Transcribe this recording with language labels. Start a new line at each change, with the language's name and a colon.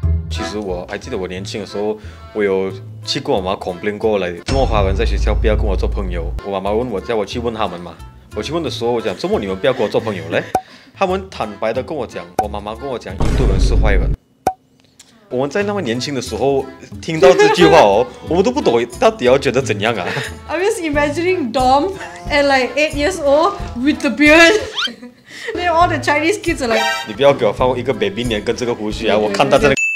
English: Actually,
Chinese: 我还记得我年轻的时候，我有去跟我妈 complain 过来，中国华人在学校不要跟我做朋友。我妈妈问我，叫我去问他们嘛。我去问的时候，我讲周末你们不要跟我做朋友嘞。他们坦白的跟我讲，我妈妈跟我讲，印度人是坏人。我们在那么年轻的时候听到这句话哦，我们都不懂到底要觉得怎样啊。
English: I'm just imagining Dom at like 8 years old with the beard. Then all the Chinese kids are like，
Chinese: 你不要给我放一个 baby 脸跟这个胡须啊！我看到这个。